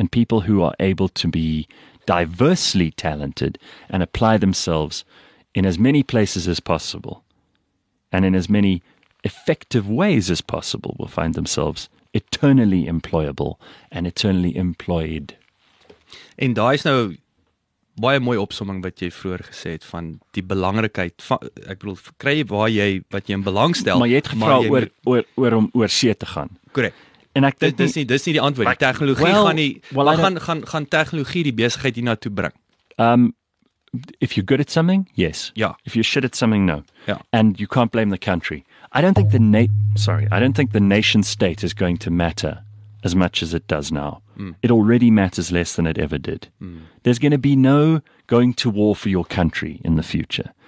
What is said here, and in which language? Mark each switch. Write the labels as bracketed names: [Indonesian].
[English] And people who are able to be diversely talented and apply themselves in as many places as possible and in as many effective ways as possible will find themselves eternally employable and eternally employed. [Afrikaans] En daai is nou baie mooi opsomming wat jy vroeër gesê het van die belangrikheid van, ek bedoel, kry waar jy wat jy in belang stel. Maar jy het gevra oor om oor see te gaan. [English] Correct. [Afrikaans] En ek dink dis nie die antwoord. Die tegnologie gaan tegnologie die besigheid hier na toe bring. [English] If you're good at something, yes. Yeah. If you're shit at something, no. Yeah. And you can't blame the country. I don't think the nation state is going to matter as much as it does now. Mm. It already matters less than it ever did. Mm. There's going to be no going to war for your country in the future.